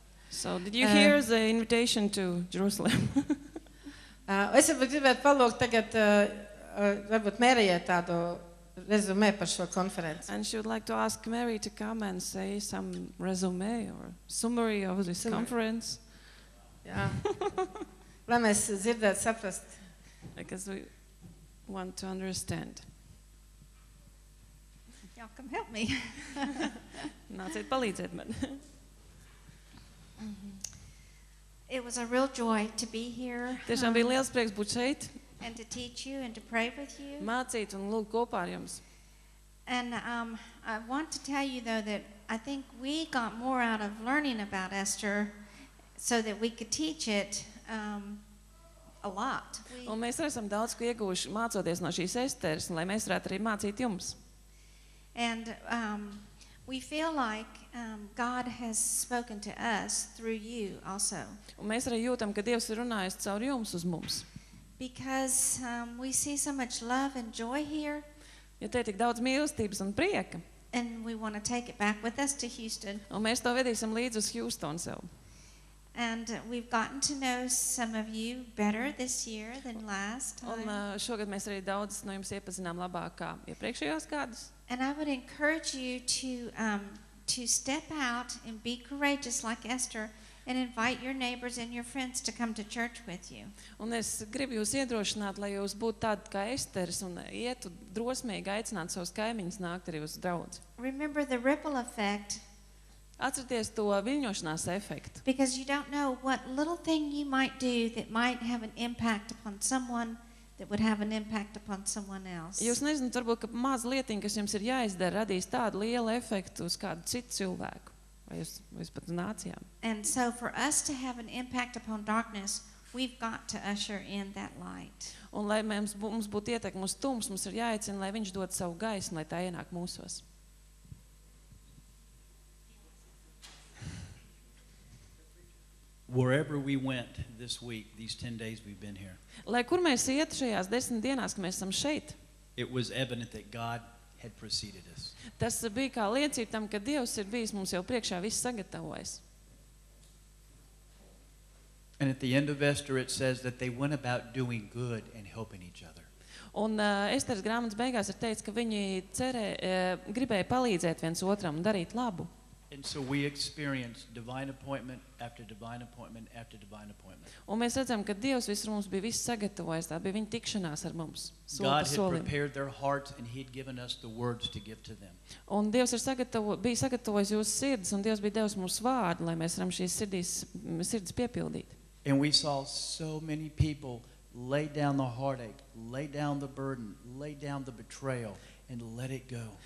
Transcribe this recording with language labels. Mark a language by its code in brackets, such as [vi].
[en] So, did you hear the invitation to Jerusalem? [lv] Es varbūt gribētu palūkt tagad, varbūt Mērijai tādu rezumē par šo konferenci. [en] And she would like to ask Mary to come and say some resume or summary of this summary. Conference. [lv] Jā. Lai mēs dzirdētu, saprast. [en] Because we want to understand. Y'all come help me. [lv] Nāciet palīdzēt man. [en] It was a real joy to be here. [lv] Tiešām bija liels prieks būt šeit. [en] And to teach you and to pray with you. [lv] Mācīt un lūgt kopā ar jums. [en] And I want to tell you though that I think we got more out of learning about Esther so that we could teach it a lot. [lv] Un mēs esam daudz ko ieguvuši mācoties no šīs Esteres, lai mēs varētu arī mācīt jums. [en] And we feel like God has spoken to us through you also. [lv] Un mēs arī jūtam, ka Dievs ir runājis caur jums uz mums. [en] Because we see so much love and joy here. [lv] Jo te ir tik daudz mīlestības un prieka. [en] And we want to take it back with us to Houston. [lv] Un mēs to vedīsim līdz uz Houston sev. [en] And we've gotten to know some of you better this year than last time. [lv] Un šogad mēs arī daudz no jums iepazinām labāk kā iepriekšējos gadus. [en] And I would encourage you to step out and be courageous like Esther and invite your neighbors and your friends to come to church with you. [lv] Un es gribu jūs iedrošināt, lai jūs būtu tādi kā Esteris un ietu drosmīgi aicināt savus kaimiņus nākt arī uz draudz. [en] Remember the ripple effect. [lv] Atcerieties to viļņošanās efektu. [en] Because you don't know what little thing you might do that might have an impact upon someone that would have an impact upon someone else. [lv] Jūs nezināt, varbūt, ka maz lietiņa, kas jums ir jāizdara, radīs tādu lielu efektu uz kādu citu cilvēku. Vai jūs pat nācijām. [en] And so for us to have an impact upon darkness, We've got to usher in that light. [lv] Un lai mums būtu ietekme uz tums, mums ir jāaicina, lai viņš dod savu gaismu, lai tā ienāk mūsos. [en] Wherever we went this week, these 10 days we've been here. [lv] Lai kur mēs ietu šajās 10 dienās, ka mēs esam šeit. [en] It was evident that God had preceded us. [lv] Tas bija kā liecība tam, ka Dievs ir bijis mums jau priekšā viss sagatavojis. [en] And at the end of Esther it says that they went about doing good and helping each other. [lv] Un Esteras grāmatas beigās ir teikts, ka viņi gribēja palīdzēt viens otram un darīt labu. [en] And so we experienced divine appointment after divine appointment after divine appointment. [lv] Un mēs redzam, ka Dievs visur mums bija viss sagatavojis, tā bija viņa tikšanās ar mums. [en] God had prepared their hearts and he had given us the words to give to them. [lv] Un Dievs ir bija sagatavojis jūsu sirdis, un Dievs bija devis mums vārdu, lai mēs varam šīs sirdis piepildīt. [en] And we saw so many people lay down the heartache, lay down the burden, lay down the betrayal and let it go.